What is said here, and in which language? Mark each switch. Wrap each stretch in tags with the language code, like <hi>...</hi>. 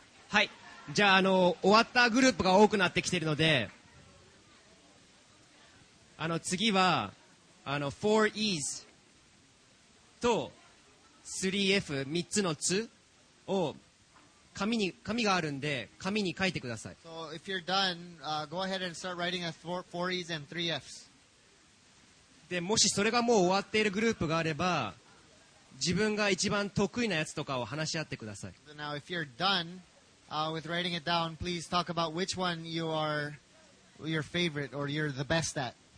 <ja>はい、じゃあ、終わったグループが多くなってきているので、次は 4E's と 3F、 3つの図を紙があるんで紙に書いてください。</ja> <en>So if you're done, go ahead and start writing a 4E's and 3F's.</en> <ja>で、もしそれがもう終わっているグループがあれば、自分が一番得意なやつとかを話し合ってください。</ja> <en>So、now, if you're done, with writing it down, please talk about which one you are your favorite or you're the best at.</en>